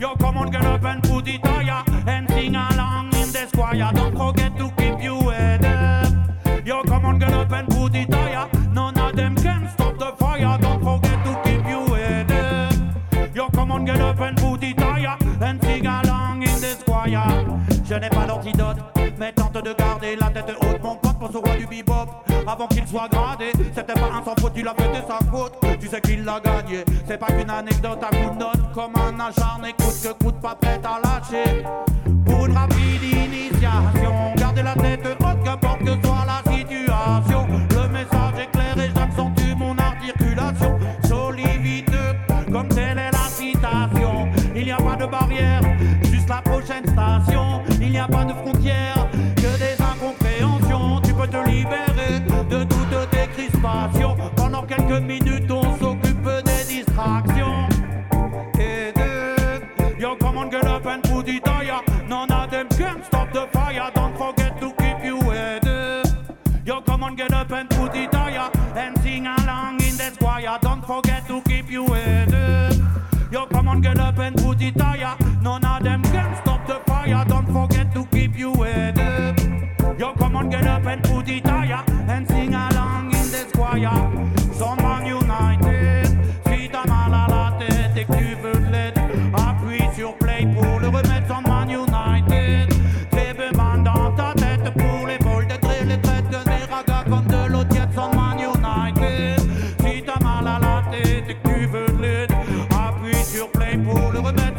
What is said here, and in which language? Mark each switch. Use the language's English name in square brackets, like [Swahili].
[English] Yo, come on, get up and put it on ya. And sing along in the choir. Don't forget to keep you in it. Yo, come on, get up and put it on ya. None of them can stop the fire. Don't forget to keep you in it. Yo, come on, get up and put it on ya. And sing along in the choir. [French] Je n'ai pas d'antidote, mais tente de garder la tête haute. Mon pote pense au roi du bebop avant qu'il soit gradé. C'était pas un sans faute, il a fait de sa faute. Tu sais qu'il l'a gagné. C'est pas qu'une anecdote à coup de note. Comme un acharné, coûte que coûte, pas prêt à lâcher. Pour une rapide initiation, garder la tête haute, qu'importe que soit la situation. Le message est clair et j'accentue mon articulation. Solide, comme telle est la citation. Il n'y a pas de barrière, juste la prochaine station. Il n'y a pas de frontières, que des incompréhensions. Tu peux te libérer de toutes tes crispations. Pendant quelques minutes, on s'occupe des distractions. Et de... [English] Yo, come on, get up and put it on ya. None of them can stop the fire. Don't forget to keep you headed. Yo, come on, get up and put it on ya. And sing along in the choir. Don't forget to keep you headed. Yo, come on, get up and put it on ya. None of them can stop the fire. Don't forget to keep you with it. Yo, come on, get up and put it on ya. And sing along in the choir. Someone united. [French] Si t'as mal à la tête et que tu veux l'aide, appuie sur play pour le remettre. [English] Someone united. [French] Très peu mal dans ta tête pour les vols de traits. Les traits de des ragas comme de l'eau tiède. [English] Someone united. [French] Si t'as mal à la tête et que tu veux l'aide, appuie sur play pour le remettre.